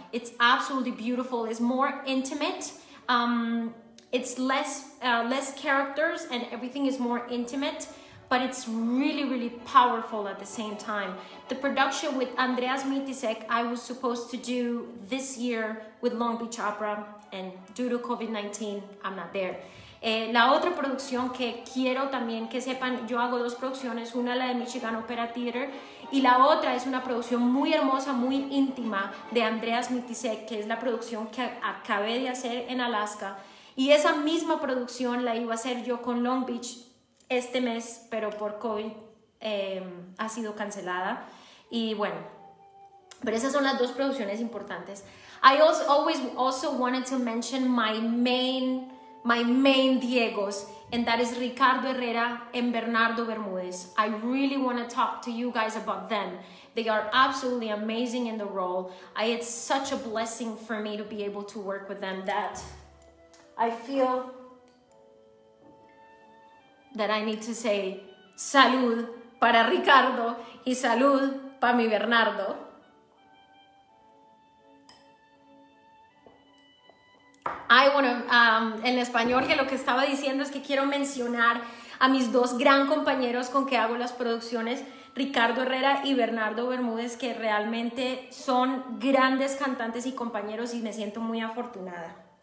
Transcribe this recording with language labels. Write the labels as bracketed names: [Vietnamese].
[English] It's absolutely beautiful. It's more intimate. It's less characters, and everything is more intimate. But it's really, really powerful at the same time. The production with Andreas Mitisek, I was supposed to do this year with Long Beach Opera, and due to COVID-19, I'm not there. [Spanish] La otra producción que quiero también que sepan, yo hago dos producciones, una la de Michigan Opera Theater, y la otra es una producción muy hermosa, muy íntima, de Andreas Mitisek, que es la producción que acabé de hacer en Alaska. Y esa misma producción la iba a hacer yo con Long Beach este mes, pero por COVID ha sido cancelada. Y bueno, pero esas son las dos producciones importantes. [English] I also wanted to mention my main Diegos, and that is Ricardo Herrera and Bernardo Bermudez. I really want to talk to you guys about them. They are absolutely amazing in the role. It's such a blessing for me to be able to work with them that I feel that I need to say [Spanish] salud para Ricardo y salud para mi Bernardo. [English] I want to, [Spanish] en español, que lo que estaba diciendo es que quiero mencionar a mis dos gran compañeros con que hago las producciones, Ricardo Herrera y Bernardo Bermúdez, que realmente son grandes cantantes y compañeros, y me siento muy afortunada.